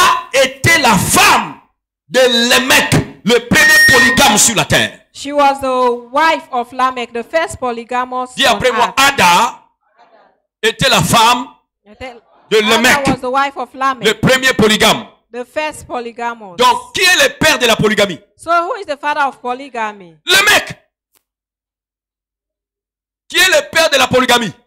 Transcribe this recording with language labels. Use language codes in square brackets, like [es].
[fr] Ada était la femme de Lémec, le premier polygame sur la terre. [en] She was the wife of Lamech, the first polygamous. [fr] Dis après moi, Ada était la femme de Lémec, [en] was the wife of Lamech, [fr] le premier polygame. [en] The first polygamous. [fr] Donc, qui est le père de la polygamie? [en] So who is the father of polygamy? [fr] Lémec. Qui est le père de la polygamie?